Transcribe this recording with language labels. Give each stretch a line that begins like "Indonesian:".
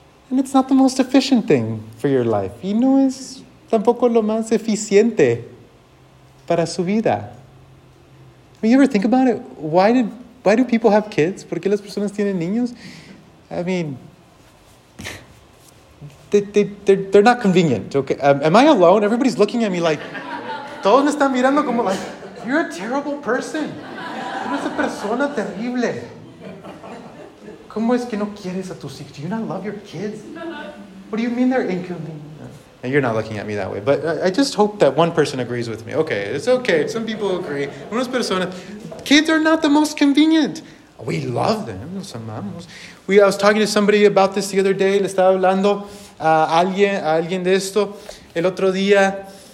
English: And it's not the most efficient thing for your life.
Spanish: Y no es tampoco lo más eficiente para su vida.
English: I mean, you ever think about it? Why do people have kids?
Spanish: ¿Por qué las personas tienen niños?
English: I mean, they're not convenient. Okay? Am I alone? Everybody's looking at me like,
Spanish: todos me están mirando como
English: like, you're a terrible person.
Spanish: Eres una persona terrible. ¿Cómo es que no quieres a tus hijos?
English: Do you not love your kids? What do you mean they're inconvenient? And you're not looking at me that way. But I just hope that one person agrees with me. Okay, it's okay. Some people agree.
Spanish: Unas personas.
English: Kids are not the most convenient. We love them.
Spanish: Los amamos.
English: I was talking to somebody about this the other day.
Spanish: Le estaba hablando a alguien de esto el otro día.